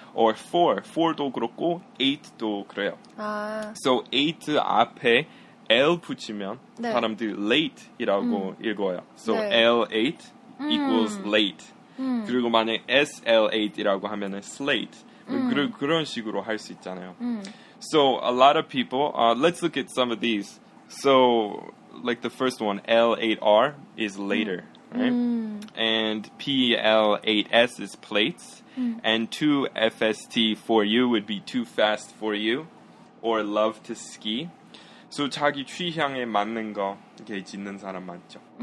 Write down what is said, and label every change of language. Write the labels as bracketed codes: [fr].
[ko] Or 4, 4도 그렇고 8도 그래요. 아. So 8 앞에 L 붙이면 네. 사람들이 late이라고 읽어요. So 네. [en] L8 equals late. [ko] 그리고 만약 SL8이라고 하면 slate. 그런 식으로 할 수 있잖아요. [en] So a lot of people, let's look at some of these. So like the first one, L8R is later, right? And PL8S is plates. And 2FST for you would be too fast for you or love to ski. [ko] So 자기 취향에 맞는 거 이렇게 짓는 사람 많죠.